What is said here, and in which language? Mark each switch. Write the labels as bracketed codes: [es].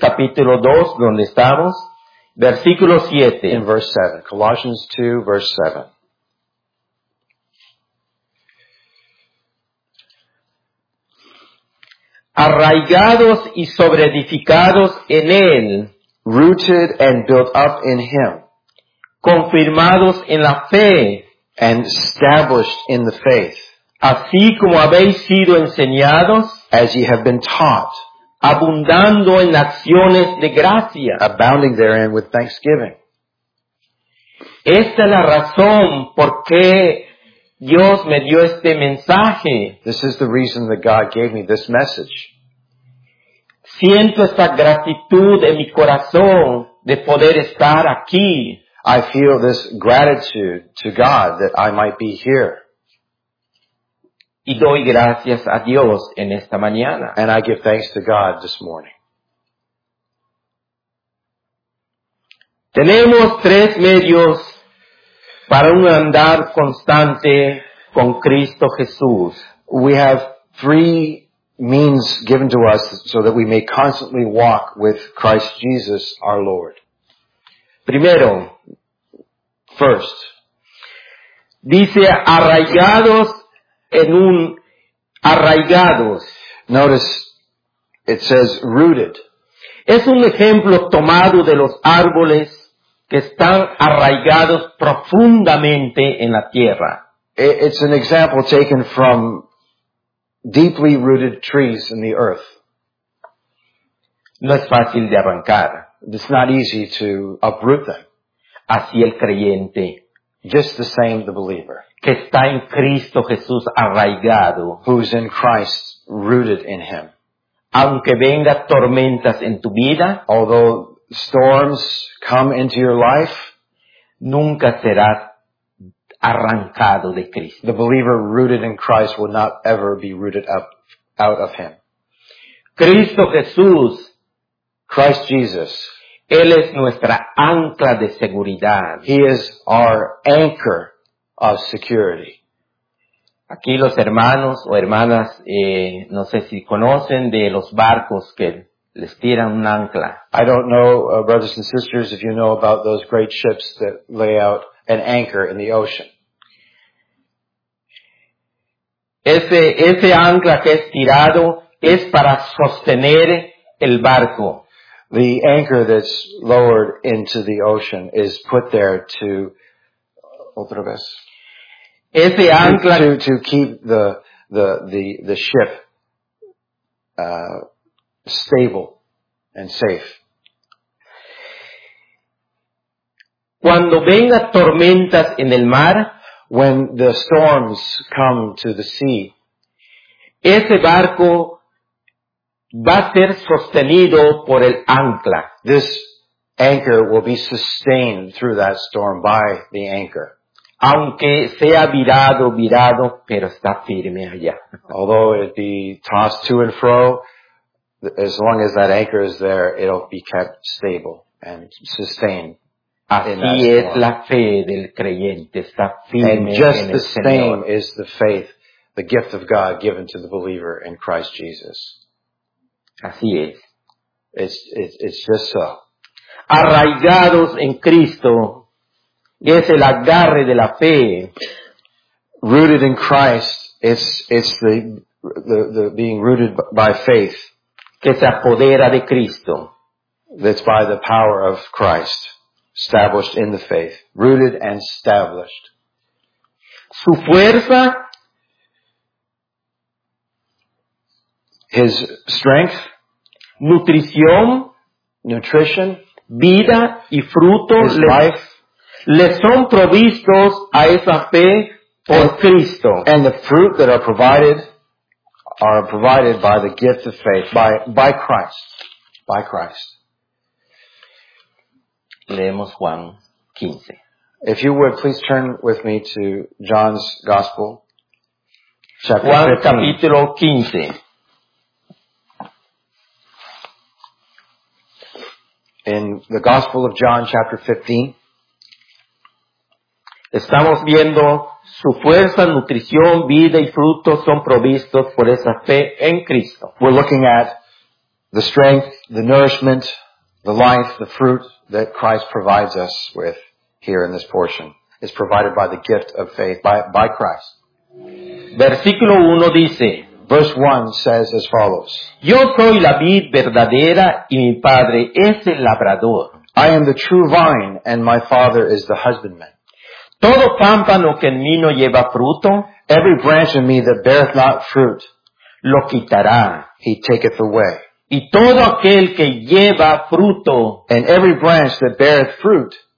[es] capítulo 2, donde estamos. Versículo 7. [en] In verse 7. Colossians 2, verse 7. [es] Arraigados y sobreedificados en Él. [en] Rooted and built up in Him. [es] Confirmados en la fe. [en] And established in the faith. [es] Así como habéis sido enseñados. [en] As ye have been taught. [es] Abundando en acciones de gracia. [en] Abounding therein with thanksgiving. [es] Esta es la razón por qué Dios me dio este mensaje. [en] This is the reason that God gave me this message. [es] Siento esta gratitud en mi corazón de poder estar aquí. [en] I feel this gratitude to God that I might be here. [es] Y doy gracias a Dios en esta mañana. [en] And I give thanks to God this morning. [es] Tenemos tres medios para un andar constante con Cristo Jesús. [en] We have three means given to us so that we may constantly walk with Christ Jesus our Lord. [es] Primero, [en] first, [es] dice arraigados en un arraigados. [en] Notice, it says rooted. [es] Es un ejemplo tomado de los árboles que están arraigados profundamente en la tierra. [en] It's an example taken from deeply rooted trees in the earth. [es] No es fácil de arrancar. [en] It's not easy to uproot them. [es] Así el creyente. [en] Just the same the believer. [es] Que está en Cristo Jesús arraigado. [en] Who's in Christ, rooted in Him. [es] Aunque venga tormentas en tu vida. [en] Although storms come into your life. [es] Nunca serás arrancado de Cristo. [en] The believer rooted in Christ will not ever be rooted up out of Him. [es] Cristo Jesús. [en] Christ Jesus. [es] Él es nuestra ancla de seguridad. [en] He is our anchor of security. [es] Aquí los hermanos o hermanas, no sé si conocen de los barcos que les tiran un ancla. [en] I don't know, brothers and sisters, if you know about those great ships that lay out an anchor in the ocean. [es] Ese ancla que es tirado es para sostener el barco. [en] The anchor that's lowered into the ocean is put there to, [es] otra vez, ese ancla, [en] to keep the ship stable and safe. [es] Cuando venga tormentas en el mar, [en] when the storms come to the sea, [es] ese barco va a ser sostenido por el ancla. [en] This anchor will be sustained through that storm by the anchor. [es] Aunque sea virado, pero está firme allá. [en] Although it be tossed to and fro, as long as that anchor is there, it'll be kept stable and sustained. [es] Así es la fe del creyente, está firme en el Señor. [en] Just the same is the faith, the gift of God given to the believer in Christ Jesus. [es] Así es. [en] It's just so. [es] Arraigados en Cristo, es el agarre de la fe. [en] Rooted in Christ, it's the being rooted by faith. [es] Que se apodera de Cristo. [en] That's by the power of Christ, established in the faith, rooted and established. [es] Su fuerza. [en] His strength. [es] Nutrición, [en] nutrition, [es] vida y fruto le son provistos a esa fe por Cristo. [en] And the fruit that are provided by the gift of faith, by Christ. [es] Leemos Juan 15. [en] If you would, please turn with me to John's Gospel, chapter [es] Juan 15. Capítulo 15. [en] In the Gospel of John, chapter 15. [es] Estamos viendo su fuerza, nutrición, vida y fruto son provistos por esa fe en Cristo. [en] We're looking at the strength, the nourishment, the life, the fruit that Christ provides us with here in this portion. It's provided by the gift of faith, by Christ. [es] Versículo 1 dice... [en] Verse 1 says as follows. [es] Yo soy la vid verdadera y mi padre es el labrador. [en] I am the true vine and my father is the husbandman. [es] Todo pámpano que en mí no lleva fruto, [en] every branch in me that beareth not fruit, [es] lo quitará. [en] He taketh away. [es] Y todo aquel que lleva fruto, [en] and every branch that beareth fruit,